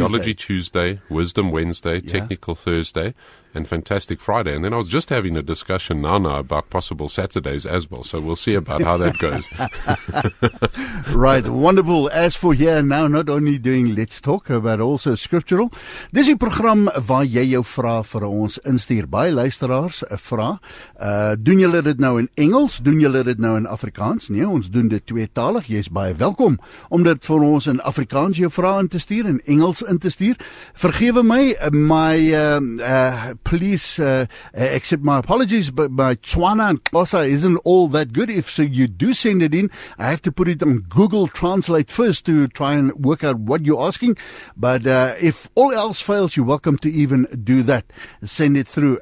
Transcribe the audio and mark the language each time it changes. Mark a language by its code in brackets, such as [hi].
[en] Theology Tuesday, Wisdom Wednesday, Technical Thursday, and Fantastic Friday. And then I was just having a discussion now about possible Saturdays as well. So we'll see about how that goes. Right. Wonderful. As for here now, not only doing Let's Talk, but also scriptural. [af] Dis die program waar jy jou vrae vir ons instuur. By luisteraars, vrae. Doen julle dit nou in Engels? Doen julle dit nou in Afrikaans? Nee, ons doen dit tweetalig. Jy is baie welkom om dit vir ons in Afrikaans jou vrae in te stuur en Engels in te stuur. Vergewe my, [en] please accept my apologies, but my Tswana and Xhosa isn't all that good. If so, you do send it in, I have to put it on Google Translate first to try and work out what you're asking. But if all else fails, you're welcome to even do that. Send it through.